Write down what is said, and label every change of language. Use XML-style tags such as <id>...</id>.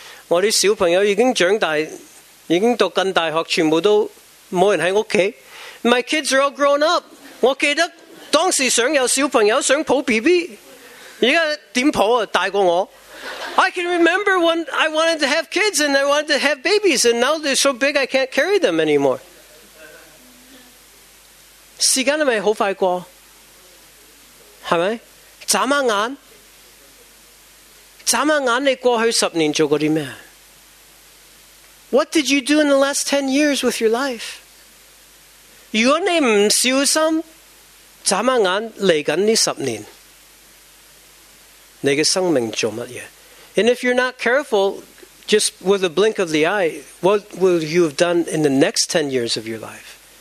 <zh>我的小朋友已经长大, 已经读近大学,全部都没人在家。</zh> <en>My kids are all grown up.</en> <zh>我记得当时想有小朋友,想抱BB。现在怎么抱啊?大过我。</zh> <en>I can remember when I wanted to have kids and I wanted to have babies, and now they're so big I can't carry them anymore.</en> <zh>时间是不是很快过?是不是?眨眼? 眨眼你过去10年做过什么?</zh> <en>What did you do in the last 10 years with your life?</en> <zh>如果你不小心, 眨眼来这10年, 你的生命做什么?</zh> <en>And if you're not careful, just with a blink of the eye, what will you have done in the next 10 years of your life?</en>